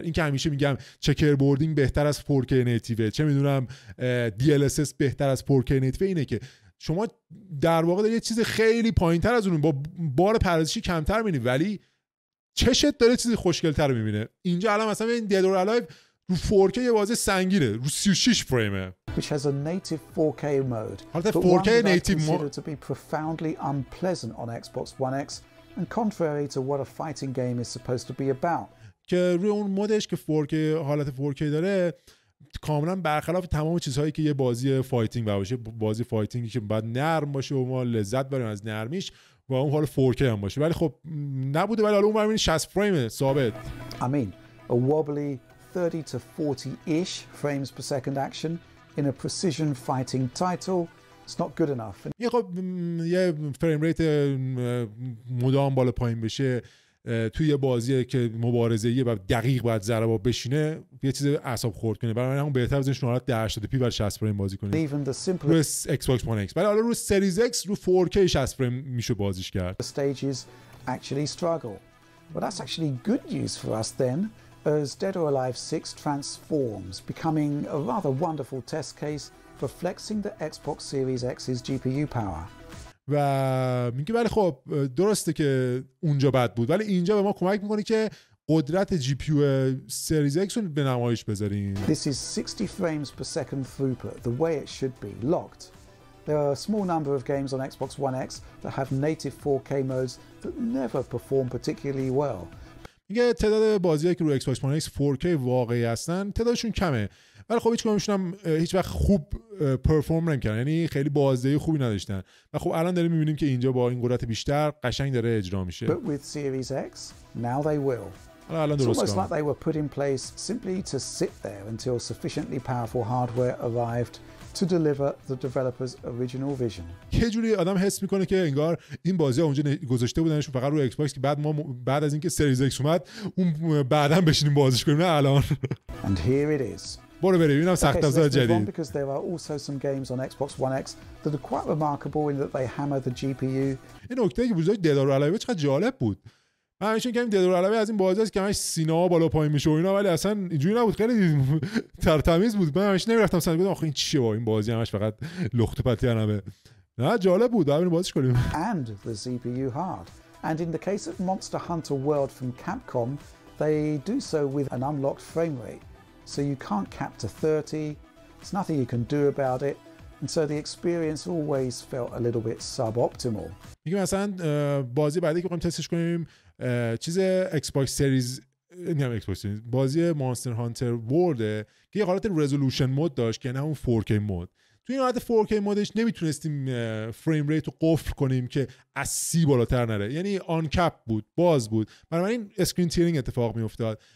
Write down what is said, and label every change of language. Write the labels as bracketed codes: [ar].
[fa] این که همیشه میگم چکربوردینگ بهتر از 4K نیتیوه، چه میدونم DLSS بهتر از 4K نیتیوه، اینه که شما در واقع داری یه چیز خیلی پایین‌تر از اون با بار پردازشی کمتر می‌بینی ولی چشت داره چیزی خوشگل‌تر می‌بینه. اینجا الان مثلا ببین Dead or Alive رو 4K یه بازی سنگینه، رو 36 فریمه. [en] Which has a native 4K mode. [fa] حالت 4K native [en] mode to be profoundly unpleasant on Xbox One X and contrary to what a fighting game is supposed to be about. [fa] که روی اون مودش که 4K حالت 4K داره کاملا برخلاف تمام چیزهایی که یه بازی فایتینگ باشه، بازی فایتینگی که باید نرم باشه و ما لذت بریم از نرمیش و اون حال 4K هم باشه، ولی خب نبوده، ولی حالا اون برمین 60 فریم ثابت. [en] I mean a wobbly 30 to 40-ish frames per second action in a precision fighting title, it's not good enough. [fa] یه خب یه فریم ریت مدام بالا پایین بشه توی بازی که مبارزه یه بعد دقیق بعد ذره با بشینه یه چیز اعصاب خرد کنه، برای همون بهتره بزنش نورات 80 پی بر 60 فریم بازی کنه رو ایکس باکس وان ایکس. ولی حالا رو سریز ایکس رو 4K 60 فریم میشه بازیش کرد. [en] Stages actually struggle but that's actually good news for us then as Dead or Alive 6 transforms becoming a rather wonderful test case for flexing the Xbox Series X G P U power. [fa] و میگه ولی خب درسته که اونجا بد بود، ولی اینجا به ما کمک میکنه که قدرت جی پی یو سریز ایکس رو به نمایش بذاریم. [en] This is 60 frames per second throughput the way it should be locked. There are a small number of games on Xbox One X that have native 4K modes that never perform particularly well. [fa] میگه تعداد بازیایی که روی Xbox One X 4K واقعی هستن تعدادشون کمه، ولی خب هیچکدومشون هم هیچ وقت خوب پرفورم نمی‌کردن، یعنی خیلی بازدهی خوبی نداشتن. و خب الان داریم می‌بینیم که اینجا با این قدرت بیشتر قشنگ داره اجرا میشه. [en] But with Series X, now they will. [fa] الان درست کردن. [en] It's almost like they were put in place simply to sit there until sufficiently powerful hardware arrived to deliver the developer's original vision. [fa] یه جوری آدم حس میکنه که انگار این بازی اونجا گذاشته بودنش فقط روی ایکس‌باکس که بعد ما بعد از اینکه سریز ایکس اومد اون بعداً بشینیم بازیش کنیم، نه الان. [en] And here it is. [fa] برو بریم اینم سخت افزار جدید. [en] Because there are also some games on Xbox One X that are quite remarkable in that they hammer the GPU. [fa] این نکته که بوزای ددور الایو چقدر جالب بود. من همیشه میگم ددور الایو از این بازی‌هاست که همش سینما بالا پایین میشه و اینا، ولی اصلا اینجوری نبود، خیلی دیدم ترتمیز بود. من همیشه نمی‌رفتم سمت گفتم آخه این چیه، با این بازی همش فقط لخت و پتی همه. نه جالب بود، همین بازیش کنیم. [en] And the CPU hard. And in the case of Monster Hunter World from Capcom, they do so with an unlocked frame rate. So you can't cap to 30. There's nothing you can do about it. And so the experience always felt a little bit suboptimal. [fa] میگم مثلا بازی بعدی که می‌خوام تستش کنیم چیز Xbox Series نمیدونم Xbox Series بازی Monster Hunter World که یه حالت رزولوشن مود داشت که نه اون 4K مود. توی این حالت 4K مودش نمیتونستیم فریم ریت رو قفل کنیم که از 30 بالاتر نره، یعنی آن کپ بود، باز بود، بنابراین اسکرین تیرینگ اتفاق میافتاد.